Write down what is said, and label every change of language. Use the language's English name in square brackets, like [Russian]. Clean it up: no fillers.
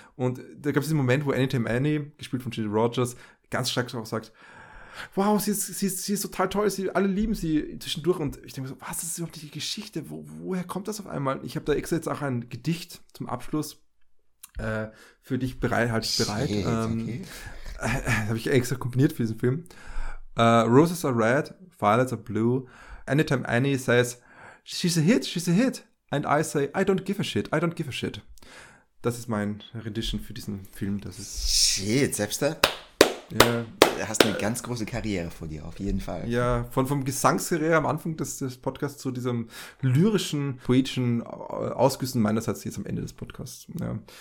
[German] Und da gab es diesen Moment, wo Anytime Annie, gespielt von Julia Rogers, ganz stark auch sagt, wow, sie ist total toll, alle lieben sie zwischendurch. Und ich denke so, was ist überhaupt die Geschichte? Woher kommt das auf einmal? Ich habe da extra jetzt auch ein Gedicht zum Abschluss für dich bereit. Okay. Habe ich extra komponiert für diesen Film. [English] Roses are red, violets are blue. Anytime Annie says, she's a hit. And I say, I don't give a shit. [German] Das ist mein Rendition für diesen Film. Das ist shit, selbst da? Ja. Du hast eine ganz große Karriere vor dir, auf jeden Fall. Ja, vom Gesangskarriere am Anfang des Podcasts zu diesem lyrischen, poetischen Ausgüssen meinerseits jetzt am Ende des Podcasts. Ja.